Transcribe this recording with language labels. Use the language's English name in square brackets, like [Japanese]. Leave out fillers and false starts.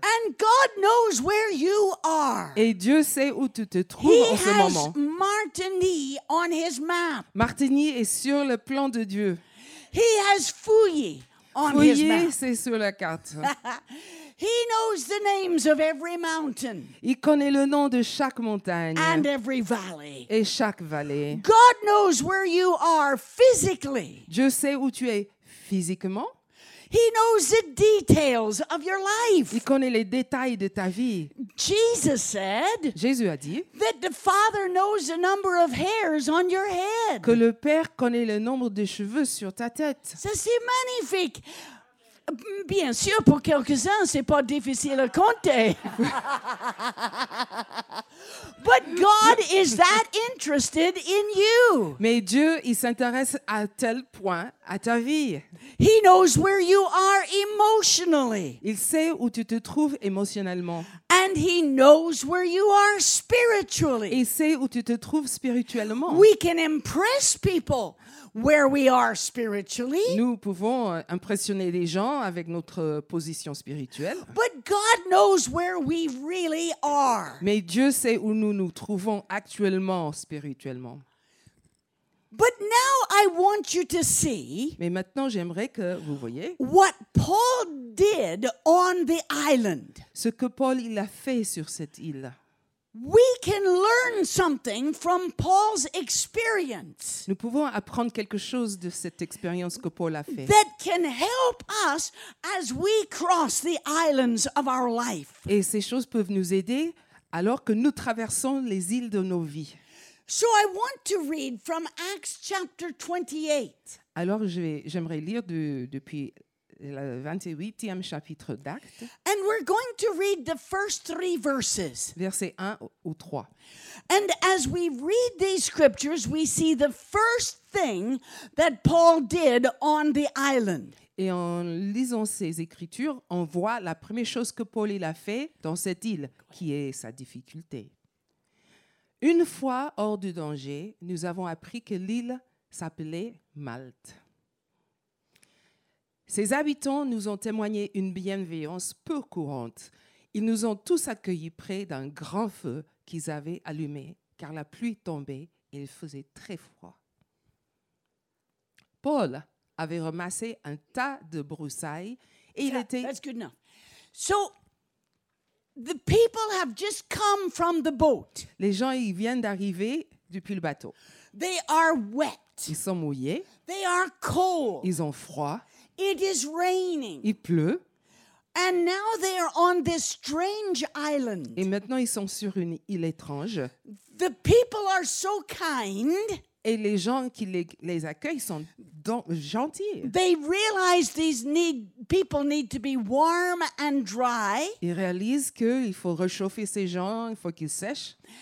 [English] And God knows where you are. [French] Et Dieu sait où tu te trouves [English] He [French] en ce moment. [English] He has Martigny on his map. [French] Martigny est sur le plan de Dieu. [English] He has Fouillé on [French] Fouillé, [English] his map. [French] Fouillé, c'est sur la carte. [English] He knows the names of every mountain. [French] Il connaît le nom de chaque montagne. [English] And every valley. [French] Et chaque vallée. [English] God knows where you are physically. [French] Dieu sait où tu es physiquement. [English] He knows the details of your life. [French] Il connaît les détails de ta vie. [English] Jesus said. [French] Jésus a dit. [English] That the Father knows the number of hairs on your head. [French] Que le Père connaît le nombre de cheveux sur ta tête. Ça, c'est magnifique. Bien sûr, pour quelques-uns, c'est pas difficile à compter. [English] But God is that interested in you. [French] Mais Dieu, il s'intéresse à tel point à ta vie. [English] He knows where you are emotionally. [French] Il sait où tu te trouves émotionnellement. [English] And he knows where you are spiritually. [French] Il sait où tu te trouves spirituellement. [English] We can impress people where we are spiritually. [French] Nous pouvons impressionner les gens avec notre position spirituelle. [English] But God knows where we really are. [French] Mais Dieu sait où nous nous trouvons actuellement spirituellement. [English] But now I want you to see. [French] Mais maintenant j'aimerais que vous voyiez. [English] What Paul did on the island. [French] Ce que Paul il a fait sur cette île. [English] We can learn something from Paul's experience. [French] Nous pouvons apprendre quelque chose de cette expérience que Paul a fait. [English] That can help us as we cross the islands of our life. [French] Et ces choses peuvent nous aider alors que nous traversons les îles de nos vies. [English] So I want to read from Acts chapter 28. [French] Alors j'aimerais lire depuis le 28e chapitre d'Actes. [English] And we're going to read the first three verses. [French] Versets 1 ou 3. [English] And as we read these scriptures, we see the first thing that Paul did on the island. [French] Et en lisant ces écritures, on voit la première chose que Paul il a fait dans cette île, qui est sa difficulté. Une fois hors du danger, nous avons appris que l'île s'appelait Malte. Ses habitants nous ont témoigné une bienveillance peu courante. Ils nous ont tous accueillis près d'un grand feu qu'ils avaient allumé, car la pluie tombait et il faisait très froid. Paul avait ramassé un tas de broussailles et il était... [English] That's good enough. So, the people have just come from the boat. [French] Les gens, ils viennent d'arriver depuis le bateau. [English] They are wet. [French] Ils sont mouillés. [English] They are cold. [French] Ils ont froid. [English] It is raining. [French] Il pleut. [English] And now they are on this strange island. [French] Et maintenant ils sont sur une île étrange. [English] The people are so kind. [French] Et les gens qui les accueillent sont donc gentils. [English] They realize these people need to be warm and dry. [French] Ils réalisent qu'il faut réchauffer ces gens, il faut qu'ils sèchent.